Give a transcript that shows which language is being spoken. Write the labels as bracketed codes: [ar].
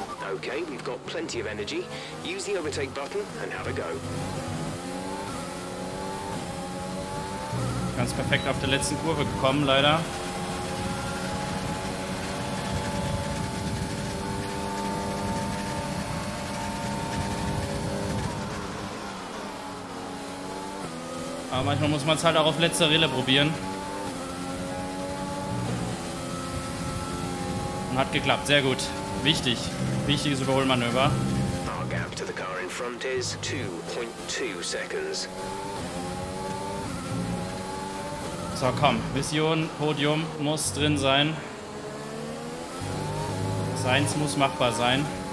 [en] Okay, we've got plenty of energy. Use the overtake button and have a go. [de] Ganz perfekt auf der letzten Kurve gekommen, leider. Aber manchmal muss man es halt auch auf letzter Rille probieren. Und hat geklappt, sehr gut. Wichtig. Wichtiges Überholmanöver. [en] Our gap to the car in front is 2.2 seconds. [de] So, komm. Mission, Podium muss drin sein. Sainz muss machbar sein.